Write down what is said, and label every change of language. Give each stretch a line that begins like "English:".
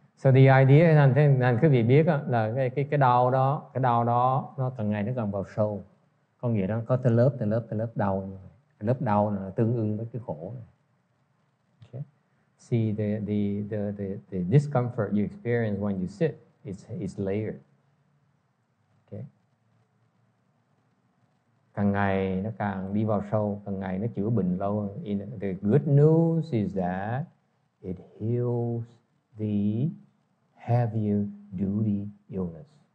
English: So the idea
Vietnamese: là thế nên quý vị biết là cái đau đó nó từng ngày nó càng vào sâu. Có nghĩa là có từ lớp đau. Lớp đau nó tương ứng với cái khổ. Này. Okay.
English: See the discomfort you experience when you sit is layered.
Vietnamese: Càng ngày nó càng đi vào sâu, càng ngày nó chữa bệnh lâu.
English: The good news is that it heals the heavier duty illness.